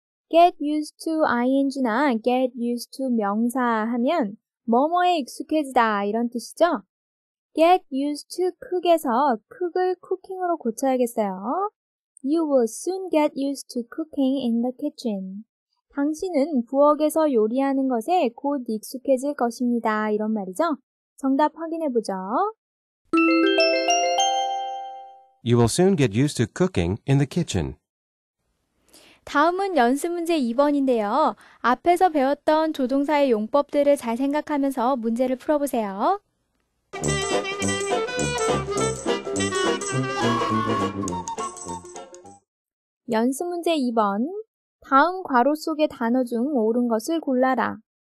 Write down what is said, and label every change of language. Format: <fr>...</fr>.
<en>Get used to ing</en> <ko>나</ko> <en>get used to</en> <ko>명사하면 뭐뭐에 익숙해지다 이런 뜻이죠.</ko> <en>Get used to cook</en> <ko>에서 cook을 cooking으로 고쳐야겠어요.</ko> <en>You will soon get used to cooking in the kitchen.</en> <ko>당신은 부엌에서 요리하는 것에 곧 익숙해질 것입니다. 이런 말이죠. 정답 확인해보죠.</ko> <en>You will soon get used to cooking in the kitchen.</en> <ko>다음은 연습문제 2번인데요. 앞에서 배웠던 조동사의 용법들을 잘 생각하면서 문제를 풀어보세요. 연습문제 2번. 다음 괄호 속의 단어 중 옳은 것을 골라라.</ko>